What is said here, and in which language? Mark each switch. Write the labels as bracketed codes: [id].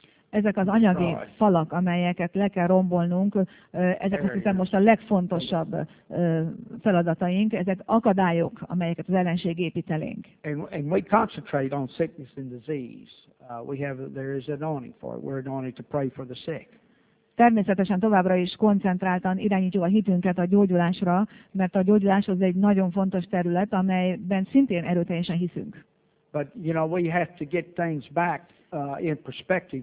[hu] Ezek az anyagi falak, amelyeket le kell rombolnunk, ezek azt hiszem most a legfontosabb feladataink, ezek akadályok, amelyeket az ellenség épít elénk. [en] And we concentrate on sickness and disease. There is an anointing for it. We're anointed to pray for the sick. [hu] Természetesen továbbra is koncentráltan irányítjuk a hitünket a gyógyulásra, mert a gyógyulás az egy nagyon fontos terület, amelyben szintén erőteljesen hiszünk. [en] But you know, we have to get things back in perspective.